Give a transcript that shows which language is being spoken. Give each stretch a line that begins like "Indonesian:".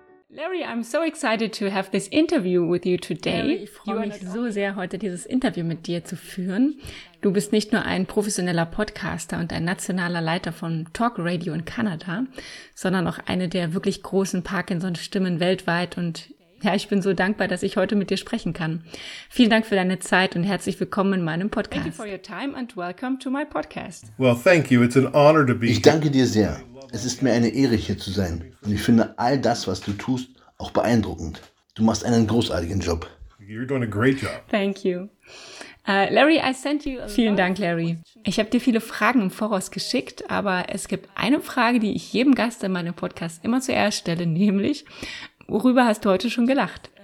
English: Larry, I'm so excited to have this interview with you today.
German: Larry, ich freue mich so sehr, heute dieses Interview mit dir zu führen. Du bist nicht nur ein professioneller Podcaster und ein nationaler Leiter von Talk Radio in Kanada, sondern auch eine der wirklich großen Parkinson-Stimmen weltweit. Und ja, ich bin so dankbar, dass ich heute mit dir sprechen kann. Vielen Dank für deine Zeit und herzlich willkommen in meinem Podcast.
English: Thank you for your time and welcome to my podcast. Well, thank you. It's an honor to be here.
German: Ich danke dir sehr. Es ist mir eine Ehre, hier zu sein. Und ich finde all das, was du tust, auch beeindruckend. Du machst einen großartigen Job.
English: You're doing a great job. Thank you. Larry, I sent you a
German: Vielen Dank,
English: Larry.
German: Ich habe dir viele Fragen im Voraus geschickt, aber es gibt eine Frage, die ich jedem Gast in meinem Podcast immer zuerst stelle, nämlich, worüber hast du heute schon gelacht?